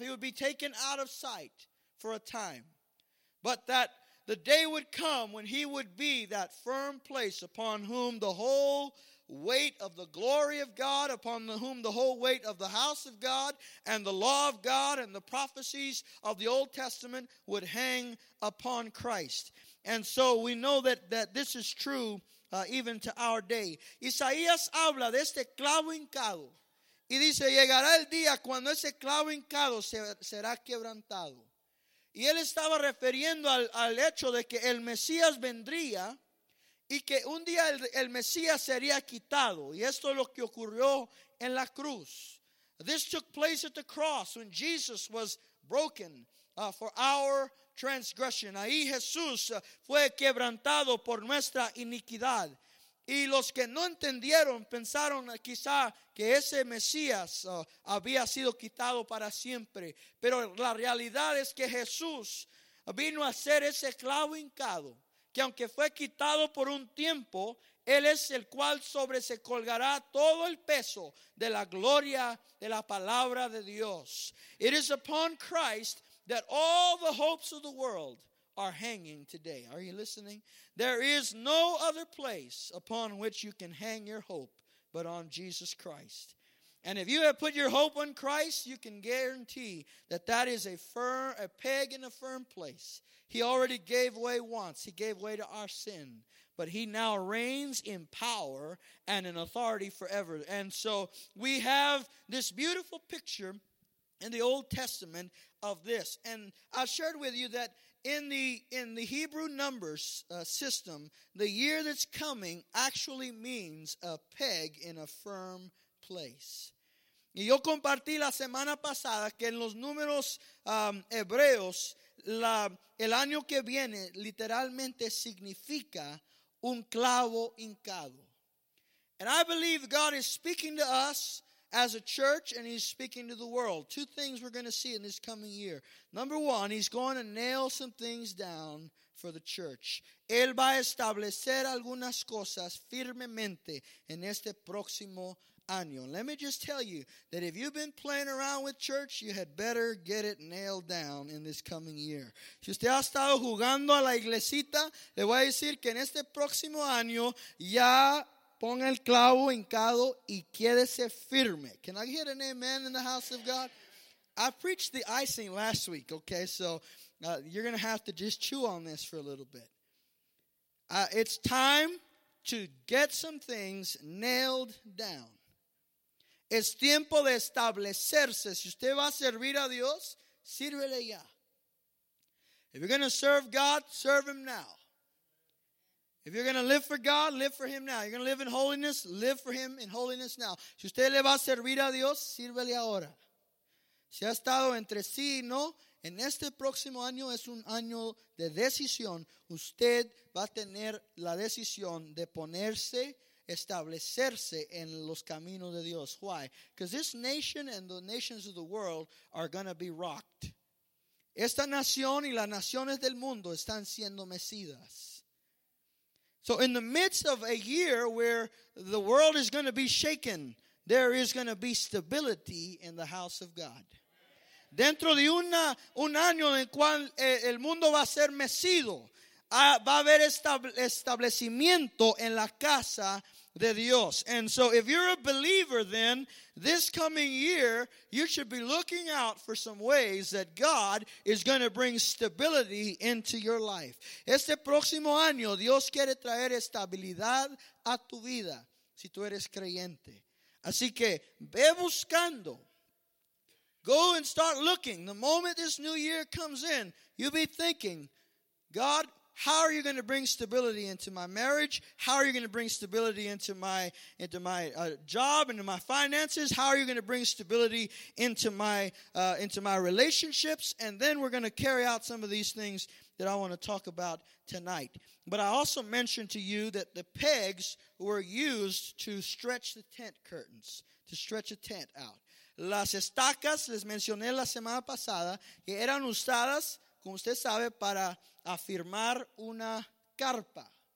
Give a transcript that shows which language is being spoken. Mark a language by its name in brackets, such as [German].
[English] He would be taken out of sight for a time. But that the day would come when he would be that firm place upon whom the whole weight of the glory of God, upon whom the whole weight of the house of God and the law of God and the prophecies of the Old Testament would hang upon Christ. And so we know that this is true even to our day. [Spanish] Isaías habla de este clavo hincado. Y dice, llegará el día cuando ese clavo hincado será quebrantado. Y él estaba refiriendo al hecho de que el Mesías vendría y que un día el Mesías sería quitado. Y esto es lo que ocurrió en la cruz. [English] This took place at the cross when Jesus was broken for our transgression. [Spanish] Ahí Jesús fue quebrantado por nuestra iniquidad. Y los que no entendieron pensaron quizá que ese Mesías había sido quitado para siempre. Pero la realidad es que Jesús vino a ser ese clavo hincado, que aunque fue quitado por un tiempo, Él es el cual sobre se colgará todo el peso de la gloria de la palabra de Dios. [English] It is upon Christ that all the hopes of the world are hanging today. Are you listening? There is no other place upon which you can hang your hope but on Jesus Christ. And if you have put your hope on Christ, you can guarantee that that is a peg in a firm place. He already gave way once. He gave way to our sin. But he now reigns in power and in authority forever. And so we have this beautiful picture in the Old Testament of this. And I shared with you that In the Hebrew numbers system, the year that's coming actually means a peg in a firm place. [Spanish] Y yo compartí la semana pasada que en los números hebreos, el año que viene literalmente significa un clavo hincado. [English] And I believe God is speaking to us as a church, and he's speaking to the world. Two things we're going to see in this coming year. Number one, he's going to nail some things down for the church. [Spanish] Él va a establecer algunas cosas firmemente en este próximo año. [English] Let me just tell you that if you've been playing around with church, you had better get it nailed down in this coming year. [Spanish] Si usted ha estado jugando a la iglesita, le voy a decir que en este próximo año ya ponga el clavo hincado y quédese firme. [English] Can I hear an amen in the house of God? I preached the icing last week, okay? So you're going to have to just chew on this for a little bit. It's time to get some things nailed down. [Spanish] Es tiempo de establecerse. Si usted va a servir a Dios, sírvele ya. [English] If you're going to serve God, serve him now. If you're going to live for God, live for him now. You're going to live in holiness, live for him in holiness now. [Spanish] Si usted le va a servir a Dios, sírvele ahora. Si ha estado entre sí y no, en este próximo año es un año de decisión. Usted va a tener la decisión de ponerse, establecerse en los caminos de Dios. [English] Why? Because this nation and the nations of the world are going to be rocked. [Spanish] Esta nación y las naciones del mundo están siendo mecidas. [English] So in the midst of a year where the world is going to be shaken, there is going to be stability in the house of God. [Spanish] Dentro de un año en cual el mundo va a ser mecido, va a haber establecimiento en la casa de Dios. [English] And so if you're a believer, then this coming year, you should be looking out for some ways that God is going to bring stability into your life. [Spanish] Este próximo año, Dios quiere traer estabilidad a tu vida, si tú eres creyente. Así que ve buscando. [English] Go and start looking. The moment this new year comes in, you'll be thinking, God, how are you going to bring stability into my marriage? How are you going to bring stability into my job, into my finances? How are you going to bring stability into my relationships? And then we're going to carry out some of these things that I want to talk about tonight. But I also mentioned to you that the pegs were used to stretch the tent curtains, to stretch a tent out. [Spanish] Las estacas, les mencioné la semana pasada, que eran usadas, como usted sabe, para afirmar una carpa.